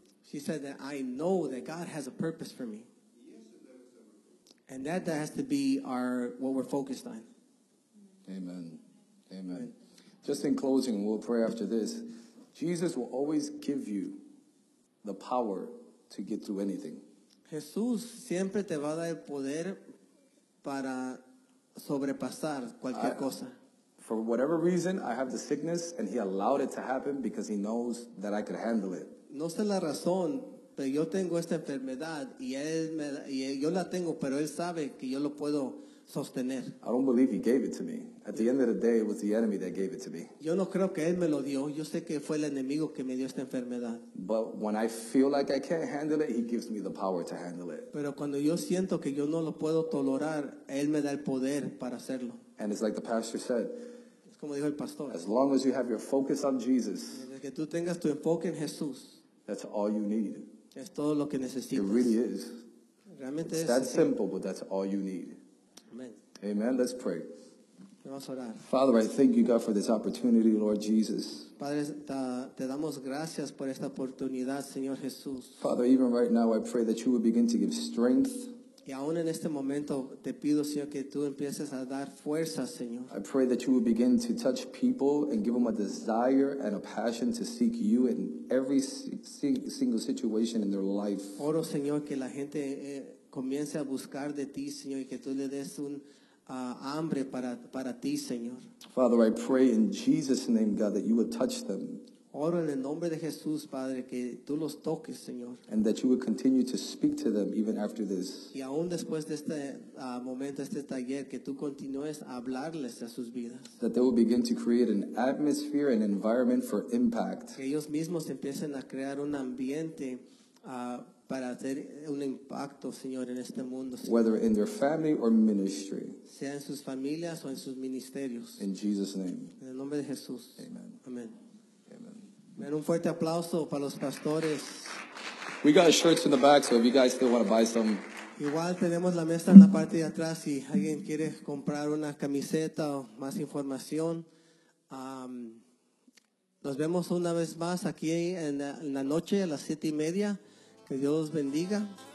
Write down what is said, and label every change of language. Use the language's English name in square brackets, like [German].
[English] She said that I know that God has a purpose for me. And that has to be what we're focused on. Amen. Amen. Just in closing, we'll pray after this. Jesus will always give you the power to get through anything. [Spanish] Jesús siempre te va a dar poder para sobrepasar cualquier cosa. [English] For whatever reason, I have the sickness, and he allowed it to happen because he knows that I could handle it. [Spanish] No sé la razón, pero yo tengo esta enfermedad y él me, y yo la tengo, pero él sabe que yo lo puedo sostener. [English] I don't believe he gave it to me. At the end of the day, it was the enemy that gave it to me. [Spanish] Yo no creo que él me lo dio. Yo sé que fue el enemigo que me dio esta enfermedad. [English] But when I feel like I can't handle it, he gives me the power to handle it. [Spanish] Pero cuando yo siento que yo no lo puedo tolerar, él me da el poder para hacerlo. [English] And it's like the pastor said, [Spanish] es como dijo el pastor, [English] as long as you have your focus on Jesus, [Spanish] desde que tú tengas tu enfoque en Jesús, [English] that's all you need. [Spanish] Es todo lo que necesitas. [English] It really is. [Spanish] Realmente [English] it's that simple, but that's all you need. Amen. Amen. Let's pray. [Spanish] Vamos a orar. [English] Father, I thank you, God, for this opportunity, Lord Jesus. [Spanish] Padre, te damos gracias por esta oportunidad, Señor Jesús. [English] Father, even right now, I pray that you would begin to give strength. [Spanish] Y aún en este momento, te pido, Señor, que tú empieces a dar fuerza, Señor. [English] I pray that you would begin to touch people and give them a desire and a passion to seek you in every single situation in their life. [Spanish] Oro, Señor, que la gente comience a buscar de ti, Señor, y que tú le des un hambre para ti, Señor. [English] Father, I pray in Jesus' name, God, that you would touch them. [Spanish] Oro en el nombre de Jesús, Padre, que tú los toques, Señor. [English] And that you would continue to speak to them even after this. [Spanish] Y aún después de este momento, este taller, que tú continúes a hablarles a sus vidas. [English] That they will begin to create an atmosphere and environment for impact. [Spanish] Que ellos mismos empiecen a crear un ambiente para hacer un impacto, Señor, en este mundo, Señor. [English] Whether in their family or ministry. [Spanish] Sea en sus familias o en sus ministerios. [English] In Jesus' name. [Spanish] En el nombre de Jesús. [English] Amen. [Spanish] Amen. Amen. Un fuerte aplauso para los pastores. [English] We got shirts in the back, so if you guys still want to buy some. [Spanish] Igual tenemos la mesa en la parte de atrás. Si alguien quiere comprar una camiseta o más información, nos vemos una vez más aquí en la noche a las 7:30. Que Dios bendiga.